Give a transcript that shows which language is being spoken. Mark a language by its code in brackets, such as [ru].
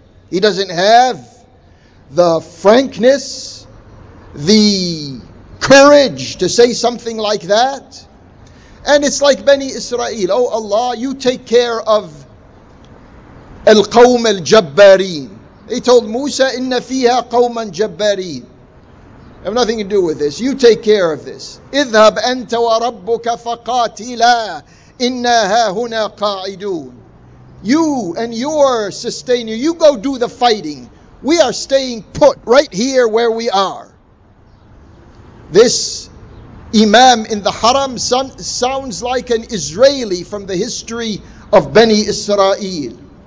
[en] He doesn't have the frankness, the courage to say something like that. And it's like Bani Israel, oh Allah, you take care of [ar] al-qawm al-jabbarin. [en] He told Musa, [ar] inna fiha qawman jabbarin. [en] I have nothing to do with this. You take care of this. [ar] اذهب أنت وربك فقاتلا إنا هاهنا قاعدون. [en] You and your sustainer, you go do the fighting. We are staying put right here where we are. This imam in the haram sounds like an Israeli from the history of Bani Israel.